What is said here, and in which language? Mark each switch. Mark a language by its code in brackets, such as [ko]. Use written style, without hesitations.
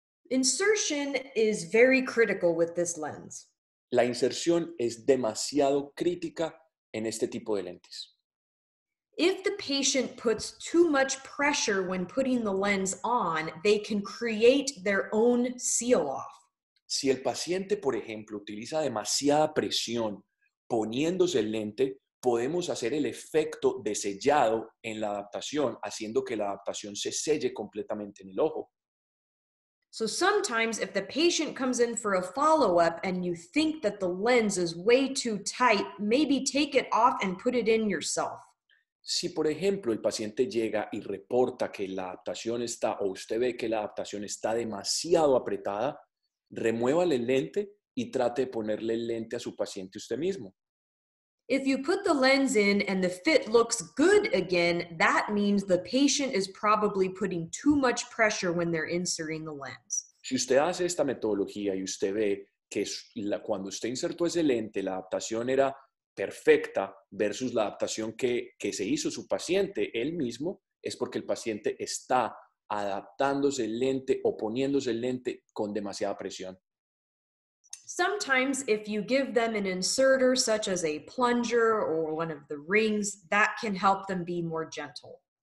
[en] Insertion is very critical with this lens. [es] La inserción es demasiado crítica en este tipo de lentes. [en] If the patient puts too much pressure when putting the lens on, they can create their own seal off. [es] Si el paciente, por ejemplo, utiliza demasiada presión poniéndose el lente, podemos hacer el efecto de sellado en la adaptación, haciendo que la adaptación se selle completamente en el ojo. [en] So sometimes if the patient comes in for a follow-up and you think that the lens is way too tight, maybe take it off and put it in yourself. [es] Si, por ejemplo, el paciente llega y reporta que la adaptación está, o usted ve que la adaptación está demasiado apretada, remuévale el lente y trate de ponerle el lente a su paciente usted mismo. [en] If you put the lens in and the fit looks good again, that means the patient is probably putting too much pressure when they're inserting the lens. [es] Si usted hace esta metodología y usted ve que cuando usted insertó ese lente, la adaptación era perfecta versus la adaptación que se hizo su paciente él mismo, es porque el paciente está adaptándose el lente o poniéndose el lente con demasiada presión. [en] Sometimes if you give them an inserter such as a plunger or one of the rings, that can help them be more gentle.